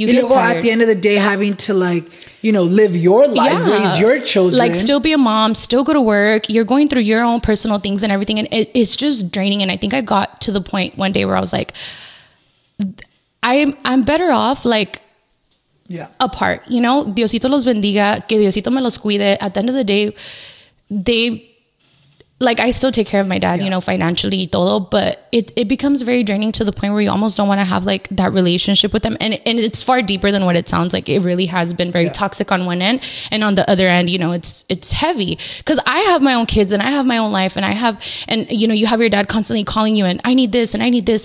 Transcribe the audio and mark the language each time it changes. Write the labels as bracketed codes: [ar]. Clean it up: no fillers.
[en] At the end of the day, having to like, you know, live your life, raise your children, like still be a mom, still go to work, you're going through your own personal things and everything, and it's just draining. And I think I got to the point one day where I was like, I'm better off like apart, you know. [es] Diosito los bendiga, que Diosito me los cuide. [en] At the end of the day, like, I still take care of my dad, you know, financially, todo, but it becomes very draining to the point where you almost don't want to have, like, that relationship with them. And it's far deeper than what it sounds like. It really has been very toxic on one end. And on the other end, you know, it's heavy. Because I have my own kids and I have my own life and I have, and, you know, you have your dad constantly calling you and I need this and I need this.